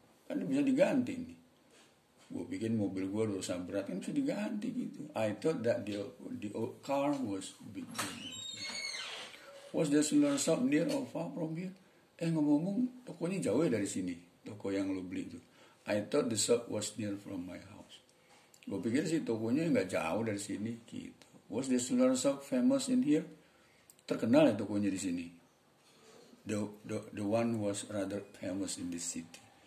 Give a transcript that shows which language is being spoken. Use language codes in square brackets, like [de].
[id] Kan bisa diganti nih. Gue pikir mobil gue rusak berat kan bisa diganti gitu. [en] I thought that the old car was a big damage. Was the cellular shop near or far from here? [id] Ngomong-ngomong tokonya jauh ya dari sini. Toko yang lu beli itu. [en] I thought the shop was near from my house. [id] Gue pikir sih tokonya gak jauh dari sini gitu. [en] Was the cellular shop famous in here? [id] Terkenal ya tokonya di sini. [en] The one was rather famous in this city.